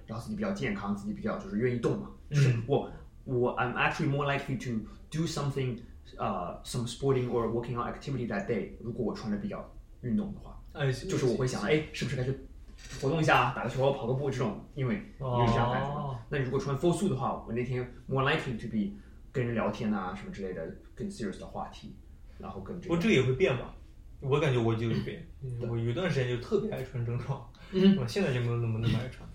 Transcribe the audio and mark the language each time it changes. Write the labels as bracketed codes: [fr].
[zh] 然后自己比较健康，自己比较就是愿意动嘛。嗯，就是我 [en] I'm actually more likely to do something， some sporting or working out activity that day。 [zh] 如果我穿的比较运动的话。就是我会想，哎，是不是该去活动一下，打个球跑个步这种，因为这样感觉。那你如果穿 [en] full suit [zh] 的话，我那天 [en] more likely to be [zh] 跟人聊天啊什么之类的更 serious 的话题，然后跟这个。不，这个也会变吧，我感觉我就会变。我有段时间就特别爱穿正装，我现在就没有那么爱穿。